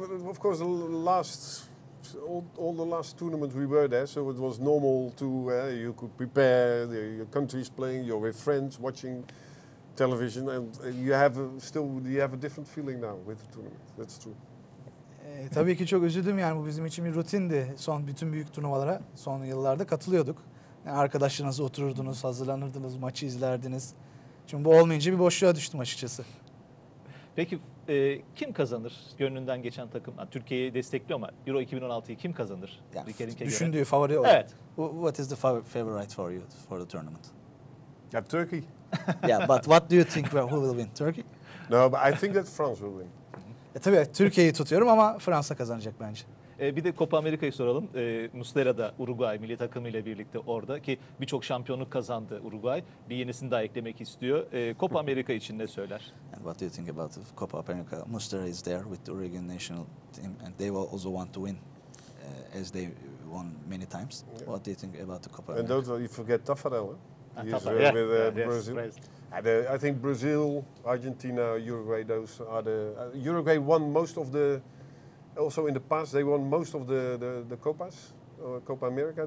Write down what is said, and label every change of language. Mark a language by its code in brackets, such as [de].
[en] Of course, the last tournament we were there, so it was normal to you could prepare. Your country is playing. You're with friends watching television, and you have a different feeling now with the tournament. That's true. [tr] Tabii ki çok üzüldüm. Yani bu bizim için bir rutindi. Son bütün büyük turnuvalara son yıllarda katılıyorduk. Arkadaşlarınızla otururdunuz, hazırlanırdınız, maçı izlerdiniz. Şimdi bu olmayınca bir boşluğa düştüm açıkçası. Peki kim kazanır gönlünden geçen takım? Yani Türkiye'yi destekliyor ama Euro 2016'yı kim kazanır? Yani düşündüğü göre favori olarak. Evet. [en] What is the favorite for you for the tournament? Yeah, Turkey. Yeah, but what do you think about who will win? Turkey? No, but I think that France will win. [tr] Tabii Türkiye'yi tutuyorum ama Fransa kazanacak bence. Bir de Copa Amerika'yı soralım. Muslera da Uruguay milli takımıyla birlikte orada ki birçok şampiyonluk kazandı Uruguay. Bir yenisini daha eklemek istiyor. Copa Amerika için ne söyler? [en] And what do you think about Copa America? Muslera is there with the Uruguayan national team and they will also want to win as they won many times. Yeah. What do you think about the Copa and America? And don't forget Taffarel. I think Brazil, Argentina, Uruguay, those are the Uruguay won most of the also in the past they won most of the Copas or Copa America.